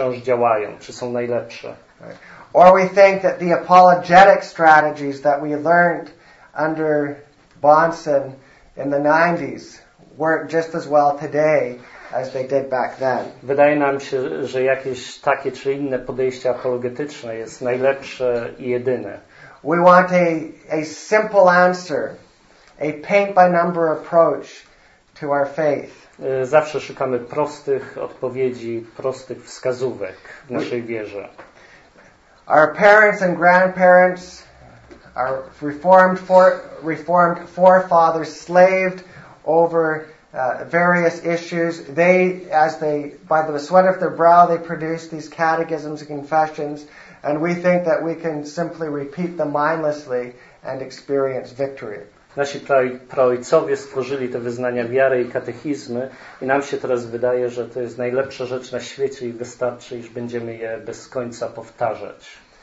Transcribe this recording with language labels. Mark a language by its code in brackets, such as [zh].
[pl] wciąż działają, czy są najlepsze. [en] Or we think that the apologetic strategies that we learned under Bahnsen in the 90s work just as well today as they did back then. [pl] Wydaje nam się, że jakieś takie czy inne podejście apologetyczne jest najlepsze i jedyne. [en] We want a simple answer, a paint by number approach to our faith. [pl] Zawsze szukamy prostych odpowiedzi, prostych wskazówek w naszej wierze. [en] Our parents and grandparents, our reformed forefathers slaved over various issues. They, as they, by the sweat of their brow, they produced these catechisms and confessions, and we think that we can simply repeat them mindlessly and experience victory. [pl] Nasi praojcowie stworzyli te wyznania wiary i katechizmy i nam się teraz wydaje, że to jest najlepsza rzecz na świecie i wystarczy, iż będziemy je bez końca powtarzać.